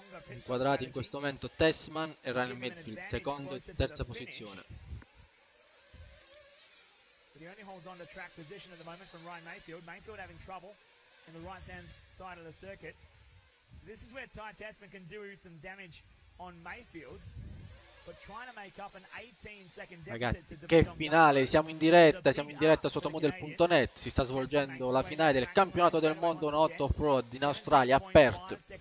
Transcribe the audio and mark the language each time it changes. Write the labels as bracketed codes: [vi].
[it] Inquadrati in questo momento Tessman e Ryan Mayfield, secondo e terza posizione. [en] But he only holds on to track position at the moment from Ryan Mayfield. Mayfield having trouble in the right hand side of the circuit. This is where Ty Tessman can do some damage on Mayfield, but trying to make up an 18 second deficit. [it] Ragazzi, che finale, siamo in diretta sotto model.net. Si sta svolgendo la finale del campionato del mondo 1-8 off-road in Australia a Perth.